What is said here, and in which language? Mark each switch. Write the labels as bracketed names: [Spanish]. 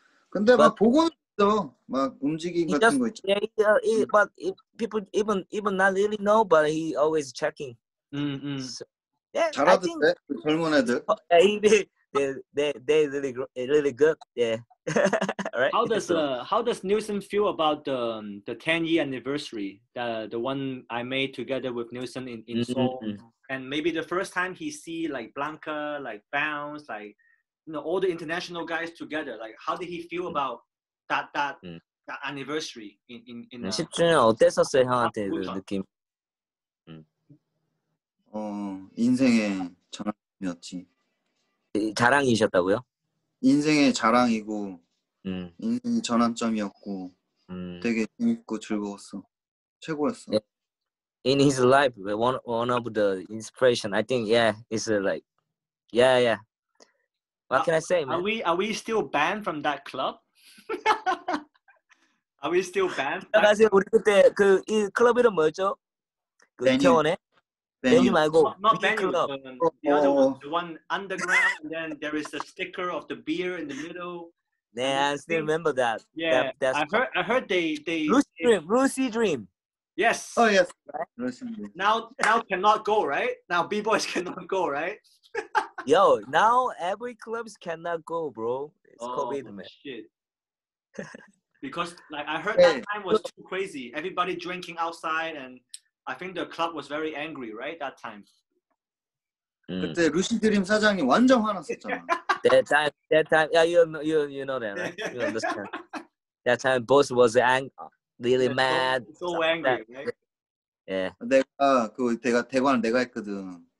[Korean] 근데 막 보고 있어, 막 움직임 같은 거 있죠. [English] Yeah, but people even not really know, but he always checking. So, yeah, [Korean] 잘하던데 젊은 애들. [English] They really good. Yeah. Right? How does Nielsen feel about the 10-year anniversary the one I made together with Nielsen in Seoul and maybe the first time he see like Blanca like Bounce like you know all the international guys together like how did he feel about that anniversary in [Korean] 10주년 어땠었어요 형한테 그 느낌? 인생의 전환이었지. 자랑이셨다고요? 인생의 자랑이고 인생의 전환점이었고 되게 재밌고 즐거웠어 최고였어. [English] In his life, one of the inspiration. I think it's like yeah. What can I say, man? Are we still banned from that club? Are we still banned? [Korean] 그 우리 그때 그 클럽 이름 뭐였죠? 그 이태원에 venue 말고 [English] not venue club. The other one, the one underground, and then there is the sticker of the beer in the middle. Yeah, I still remember that. Yeah, that's I heard they Lucy Dream. Yes. Oh yes. Right? Now cannot go, right? Now B-boys cannot go, right? Yo, now every clubs cannot go, bro. It's COVID, man. Oh shit. Because like I heard that time was too crazy. Everybody drinking outside and I think the club was very angry, right? That time. [Korean] 그때 루시 드림 사장이 완전 화났었잖아. [English] That time, yeah, you know that, right? You understand. That time, boss was really mad. So angry, that, right? Yeah. [Korean] 내가 그 내가 대관을 내가 했거든.